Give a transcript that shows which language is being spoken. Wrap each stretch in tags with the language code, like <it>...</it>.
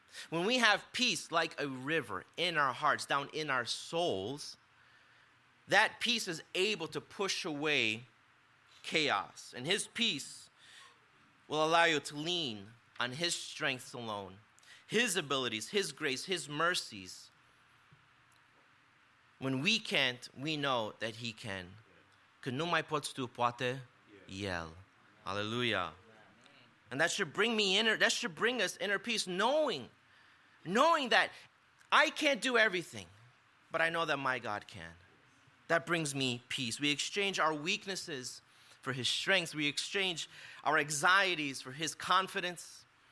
<en>When we have peace like a river in our hearts, down in our souls, that peace is able to push away chaos. And his peace will allow you to lean on his strength alone, his abilities, his grace, his mercies. When we can't, we know that he can.</en> <ro>Că nu mai poți tu poate el.</ro> <en>Hallelujah. And that should bring me inner, that should bring us inner peace, knowing that I can't do everything, but I know that my God can. That brings me peace. We exchange our weaknesses for his strength. We exchange our anxieties for his confidence.</en>